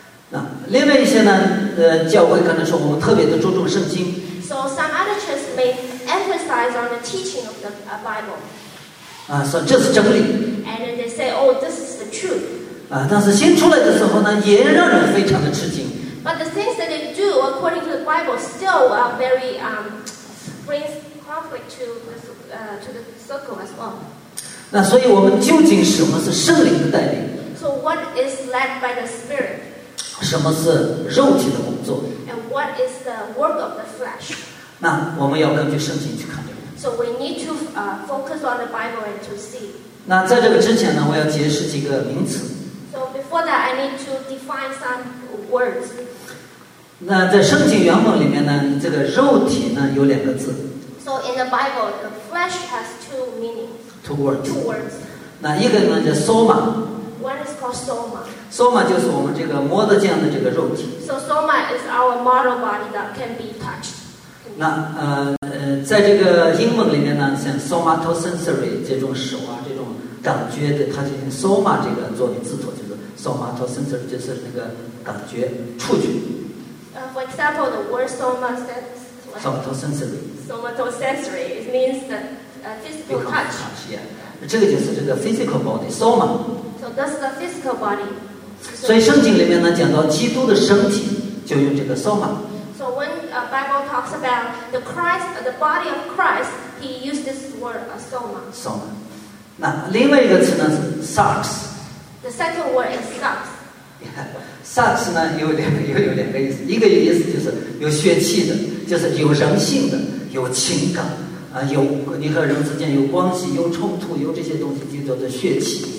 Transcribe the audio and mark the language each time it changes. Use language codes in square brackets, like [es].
[zh] 那另外一些呢教会刚才说我们特别的注重圣经。 [en] So some other churches may emphasize on the teaching of the Bible. [zh] 说这是真理。 [en] And then they say, oh, this is the truth. [zh] 但是新出来的时候呢，也让人非常的吃惊。 [en] But the things that they do according to the Bible still are very brings conflict to the circle as well. [zh] 那所以我们究竟什么是圣灵的带领 [en] ？So what is led by the Spirit？ [zh] 什么是肉体的工作 [en] ？And what is the work of the flesh？ [zh] 那我们要根据圣经去看这个。 [en] So we need to focus on the Bible and to see. [zh] 那在这个之前呢，我要解释几个名词。 [en] So before that, I need to define some words. [zh] 那在圣经原文里面呢，这个肉体呢有两个字。 [en] So in the Bible, the flesh has two meanings. Two words. [zh] 那一个呢叫 soma. [en] One is called soma. [zh] Soma 就是我们这个摸得见的这个肉体。 [en] So soma is our mortal body that can be touched. [zh] 那在这个英文里面呢，像 somatosensory 这种手啊，这种。感觉的，它就用 soma 这个作为字头，就是 somatosensory 就是那个感觉、触觉。 [en] For example, the word somatosensory means the physical touch. Yeah. [zh] 这个就是这个 [en] physical body [zh] soma. [en] So that's the physical body. [zh] 所以圣经里面呢讲到基督的身体，就用这个 soma. [en] So when Bible talks about the Christ, the body of Christ, he used this word soma. Soma. [zh] 那另外一个词呢是 sax。 [en] The second word is sax. [zh] Sax 呢有两个意思，一个意思就是有血气的，就是有人性的，有情感，有你和人之间有关系，有冲突，有这些东西就叫做血气。